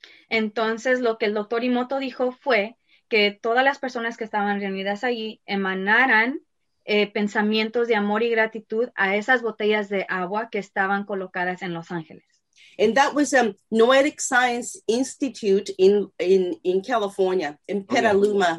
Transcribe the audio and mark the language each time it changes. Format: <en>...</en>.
<es>Entonces, lo que el Dr. Emoto dijo fue que todas las personas que estaban reunidas allí emanaran pensamientos de amor y gratitud a esas botellas de agua que estaban colocadas en Los Ángeles.</es> <en>And that was a Noetic Science Institute in California, in Petaluma,</en>